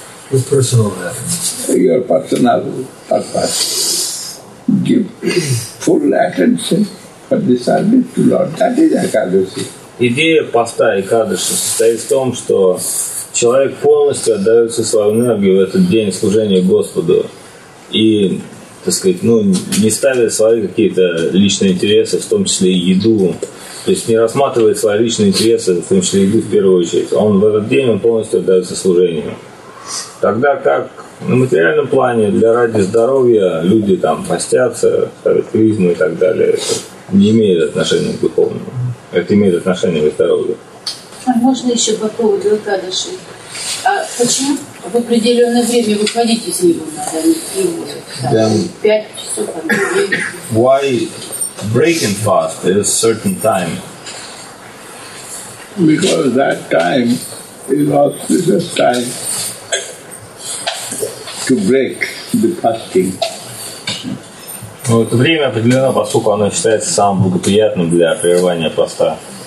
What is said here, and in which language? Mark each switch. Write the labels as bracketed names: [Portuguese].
[English] Your personal happiness. Your personal purpose. Give full attention for the service to Lord. That is Ikadashi. [Russian] Idea pasta Ikadashi состоит в том, что человек полностью отдает всю свою энергию в этот день служения Господу и, так сказать, ну, не ставит свои какие-то личные интересы, в том числе и еду. То есть не рассматривает свои личные интересы, в том числе еду в первую очередь. Он в этот день полностью отдается служению. Тогда как на материальном плане, для ради здоровья, люди там постятся, ставят клизму и так далее. Это не имеет отношения к духовному. Это имеет отношение к здоровью. А можно еще по поводу Ikadashi? А почему в определенное время выходить из него надо? Там, 5 часов, там, 9 часов. [English] Why breaking fast at a certain time? Because that time is auspicious time to break the fasting. [Russian] Ну, это время определено, поскольку оно считается самым благоприятным для прерывания поста.